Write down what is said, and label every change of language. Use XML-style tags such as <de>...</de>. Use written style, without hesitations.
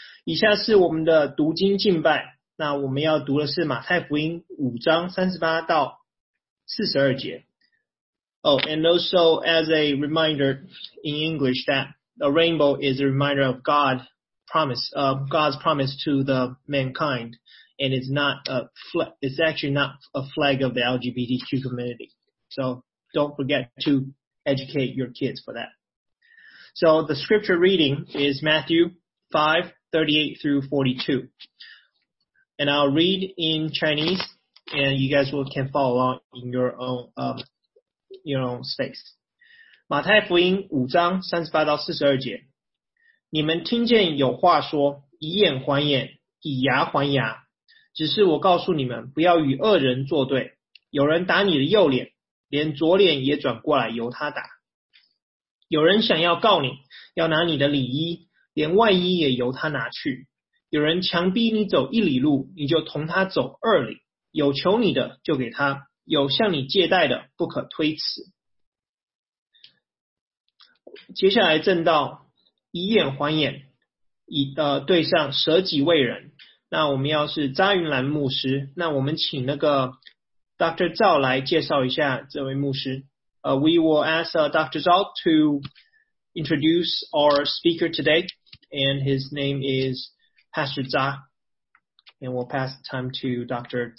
<zh>以下是我们的读经敬拜，那我们要读的是马太福音5:38-42。</zh> <en>Oh, and also as a reminder in English that a rainbow is a reminder of God's promise to the mankind, and it's not a it's actually not a flag of the LGBTQ community. So don't forget to educate your kids for that. So the scripture reading is Matthew 5:38-42. And I'll read in Chinese, and you guys can follow along in your own space.</en> <zh>马太福音5:38-42。你们听见有话说，以眼还眼，以牙还牙。只是我告诉你们，不要与恶人作对。有人打你的右脸，连左脸也转过来由他打。有人想要告你，要拿你的礼衣，连外衣也由他拿去。有人强逼你走一里路，你就同他走二里。有求你的就给他，有向你借贷的不可推辞。接下来正道，以眼还眼，对上舍己为人。那我们要是张云兰牧师，那我们请那个 Dr. Zhao 来介绍一下这位牧师。</zh> <en>We will ask Dr. Zhao to introduce our speaker today, and his name is Pastor Zha, and we'll pass the time to Dr.</en>